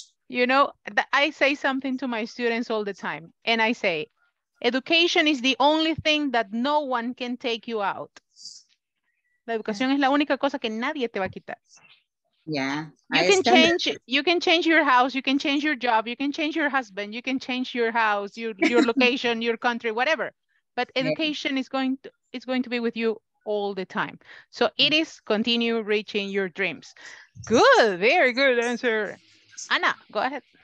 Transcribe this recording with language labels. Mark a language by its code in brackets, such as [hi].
[en] You know, I say something to my students all the time, and I say, education is the only thing that no one can take you out. [es] La educación es la única cosa que nadie te va a quitar. [en] Yeah. You can change your house, you can change your job, you can change your husband, you can change your house, your location, your country, whatever. But education is going to be with you all the time. So it is continue reaching your dreams. Good, very good answer. Ana, go ahead.